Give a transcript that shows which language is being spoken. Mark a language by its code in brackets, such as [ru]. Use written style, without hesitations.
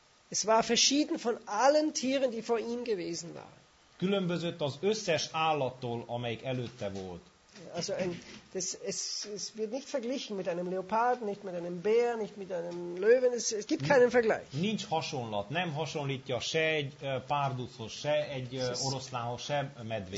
[de] Es war verschieden von allen Tieren, die vor ihm gewesen waren. [hu] Különbözött az összes állattól, amelyik előtte volt. [de] Also es wird nicht verglichen mit einem Leoparden, nicht mit einem Bär, nicht mit einem Löwen, es gibt keinen Vergleich. [hu] Nincs hasonlat, nem hasonlítja se egy párduchoz, se egy oroszlánhoz, se medvéhez.